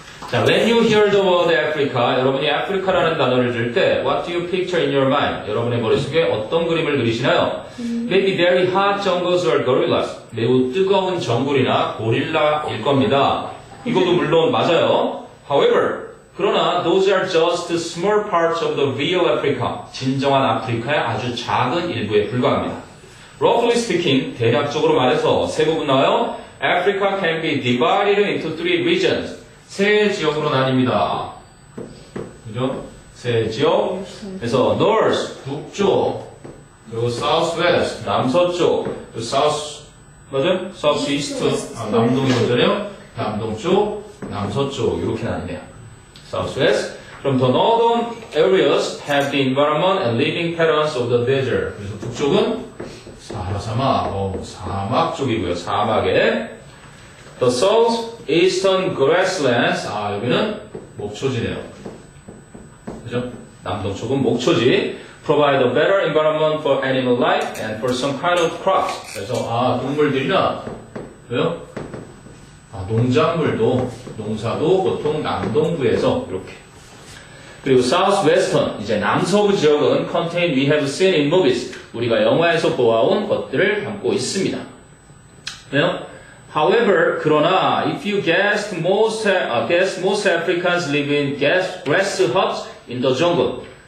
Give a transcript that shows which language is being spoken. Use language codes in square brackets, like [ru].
[en] 자, when you hear the word Africa, [ko] 여러분이 아프리카라는 단어를 들을 때 [en] what do you picture in your mind? [ko] 여러분의 머릿속에 어떤 그림을 그리시나요? [en] Maybe very hot jungles or gorillas. [ko] 매우 뜨거운 정글이나 고릴라일 겁니다. 이것도 물론 맞아요. [en] However, [ko] 그러나 [en] those are just small parts of the real Africa. [ko] 진정한 아프리카의 아주 작은 일부에 불과합니다. [en] Roughly speaking, [ko] 대략적으로 말해서 세 부분 나와요. [en] Africa can be divided into three regions. [ko] 세 지역으로 나뉩니다. 그죠? 세 지역. 그래서 North, 북쪽. 그리고 Southwest, 남서쪽. 그리고 South, 맞아요? Southeast, 아, 남동인 거잖아요? 남동쪽, 남서쪽. 이렇게 나뉘네요. Southwest. [en] 그럼 the Northern areas have the environment and living patterns of the desert. [ko] 그래서 북쪽은 사하라 사막. 사막 쪽이고요. 사막에. The South Eastern Grasslands, 아 여기는 목초지네요. 그죠? 남동쪽은 목초지. [en] Provide a better environment for animal life and for some kind of crops. [ko] 그래서 아 동물들이나 왜요? 아 농작물도 농사도 보통 남동부에서 이렇게. [en] 그리고 Southwestern, [ko] 이제 남서부 지역은 [en] contain we have seen in movies. [ko] 우리가 영화에서 보아온 것들을 담고 있습니다. 왜요? [en] However, [ko] 그러나, [en] if you guess most Africans live in grass huts in the jungle.